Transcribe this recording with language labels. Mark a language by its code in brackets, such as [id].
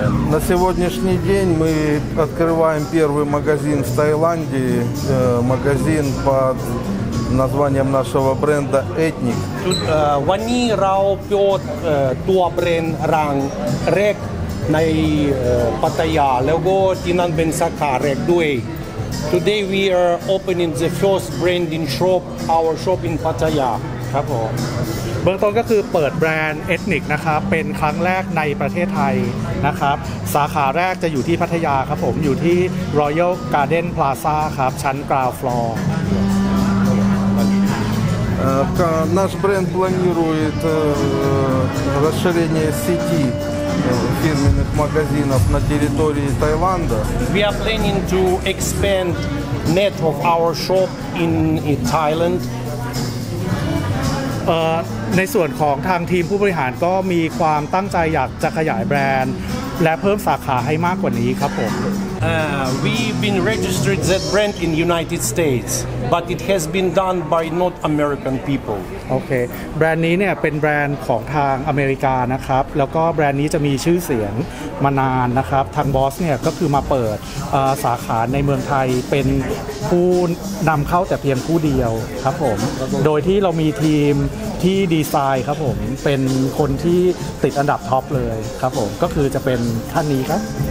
[ru] Na сегодняшний день мы открываем первый магазин в Таиланде, магазин под названием нашего бренда Ethnic. [th] วันนี้เราเปิดตัวแบรนด์รังแรกในปัตตานีแล้วก็ที่นั่นเป็นสาขาแรกด้วย [en] Today we are opening the first branding shop, our shop in Pattaya. [th] ครับผมเบื้องต้นก็คือเปิดแบรนด์เอทนิคนะครับเป็นครั้งแรกในประเทศไทยนะครับสาขาแรกจะอยู่ที่พัทยาครับผมอยู่ที่ Royal Garden Plaza ครับชั้น Ground Floor [ru] наш бренд планирует расширение сетиfirmenных магазинов на территории Таиланда. [en] We are planning to expand net of our shop in Thailand. [th] ในส่วนของทางทีมผู้บริหารก็มีความตั้งใจอยากจะขยายแบรนด์และเพิ่มสาขาให้มากกว่านี้ครับผม [en] We've been registered that brand in United States but it has been done by not American people [th] โอเคแบรนด์นี้เนี่ยเป็นแบรนด์ของทางอเมริกานะครับแล้วก็แบรนด์นี้จะมีชื่อเสียงมานานนะครับทางบอสเนี่ยก็คือมาเปิดสาขาในเมืองไทยเป็นผู้นำเข้าแต่เพียงผู้เดียวครับผมโดยที่เรามีทีมที่ดีไซน์ครับผมเป็นคนที่ติดอันดับท็อปเลยครับผมก็คือจะเป็นท่านนี้ครับ